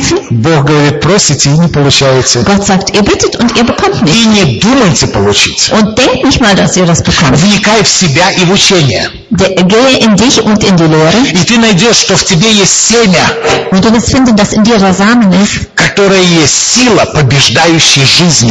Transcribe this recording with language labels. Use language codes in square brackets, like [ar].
[ru] Бог говорит, просите и не получаете. [de] Gott sagt, ihr bittet und ihr bekommt nicht. [ru] И не думайте получить. [de] Und denkt nicht mal, dass ihr das bekommt. [ru] Вникай в себя и в учение. [de] Gehe in dich und in die Lehre. [ru] И ты найдешь, что в тебе есть семя. [de] Und du wirst finden, dass in dir der Samen ist. [ru] Которое есть сила, побеждающая жизнь.